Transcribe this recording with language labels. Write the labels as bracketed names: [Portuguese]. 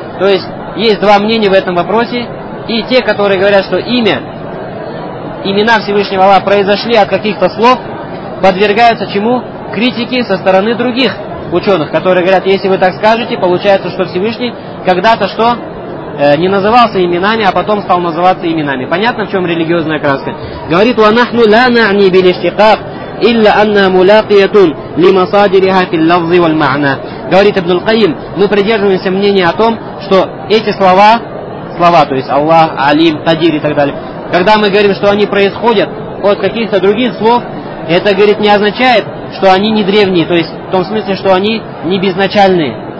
[Russian] То есть, есть два мнения в этом вопросе. И те, которые говорят, что имена Всевышнего Аллаха произошли от каких-то слов, подвергаются чему? Критике со стороны других ученых, которые говорят, если вы так скажете, получается, что Всевышний когда-то что? Не назывался именами, а потом стал называться именами. Понятно, в чем религиозная окраска? Говорит, [Arabic] وَنَحْنُ لَا نَعْنِي بِلِشْتِقَاقْ إِلَّا أَنَّا مُلَاقِيَةٌ لِمَصَادِرِهَا فِي اللَّفْظِ وَالْمَعْنَى. [Russian] Говорит Ибн аль-Кайм, мы придерживаемся мнения о том, что эти слова, то есть Аллах, Алим, Кадир и так далее. Когда мы говорим, что они происходят от каких-то других слов, это, говорит, не означает, что они не древние, то есть в том смысле, что они не безначальные.